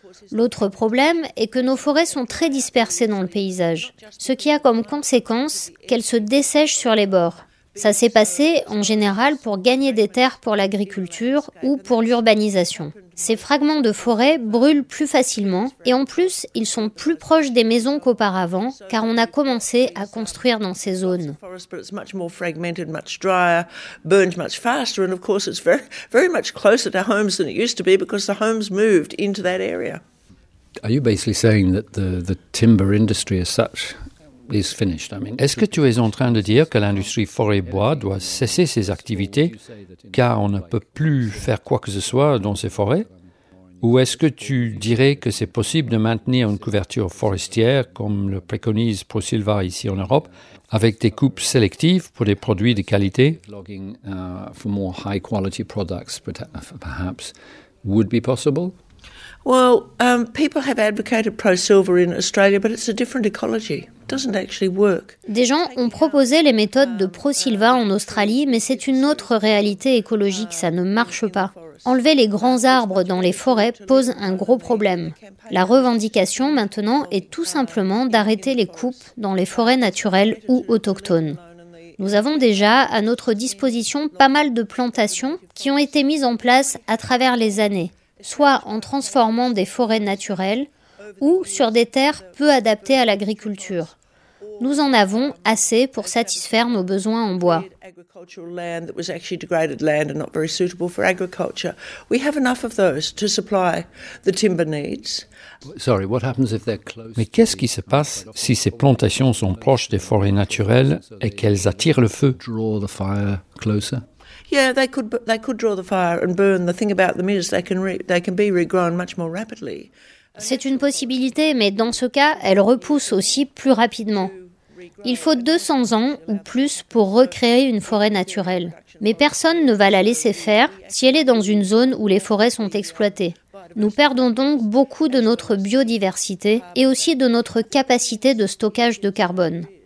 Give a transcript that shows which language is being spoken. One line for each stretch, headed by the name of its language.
French: L'autre problème est que nos forêts sont très dispersées dans le paysage, ce qui a comme conséquence qu'elles se dessèchent sur les bords. Ça s'est passé, en général, pour gagner des terres pour l'agriculture ou pour l'urbanisation. Ces fragments de forêt brûlent plus facilement et en plus, ils sont plus proches des maisons qu'auparavant car on a commencé à construire dans ces zones.
English: It's much more fragmented, much drier, burned much faster and of course it's very very much closer to homes than it used to be because the homes moved into that area. Are you basically saying that the timber industry as such is finished? I mean,
French: est-ce que tu es en train de dire que l'industrie forêt-bois doit cesser ses activités car on ne peut plus faire quoi que ce soit dans ces forêts? Ou est-ce que tu dirais que c'est possible de maintenir une couverture forestière comme le préconise ProSilva ici en Europe avec des coupes sélectives pour des produits de qualité?
English: Logging for more high quality products perhaps would be possible? Well, people have advocated ProSilva in Australia, but it's a different ecology. Doesn't actually work.
French: Des gens ont proposé les méthodes de ProSilva en Australie, mais c'est une autre réalité écologique, ça ne marche pas. Enlever les grands arbres dans les forêts pose un gros problème. La revendication maintenant est tout simplement d'arrêter les coupes dans les forêts naturelles ou autochtones. Nous avons déjà à notre disposition pas mal de plantations qui ont été mises en place à travers les années, soit en transformant des forêts naturelles ou sur des terres peu adaptées à l'agriculture. Nous en avons assez pour satisfaire nos besoins en bois.
English: Agricultural land that was actually degraded land and not very suitable for agriculture. We have enough of those to supply the timber needs. Sorry, what happens if they're close?
French: Mais qu'est-ce qui se passe si ces plantations sont proches des forêts naturelles et qu'elles attirent le feu?
English: Draw the fire closer. Yeah, they could draw the fire and burn. The thing about them is they can be regrown much more rapidly.
French: C'est une possibilité, mais dans ce cas, elle repousse aussi plus rapidement. Il faut 200 ans ou plus pour recréer une forêt naturelle. Mais personne ne va la laisser faire si elle est dans une zone où les forêts sont exploitées. Nous perdons donc beaucoup de notre biodiversité et aussi de notre capacité de stockage de carbone.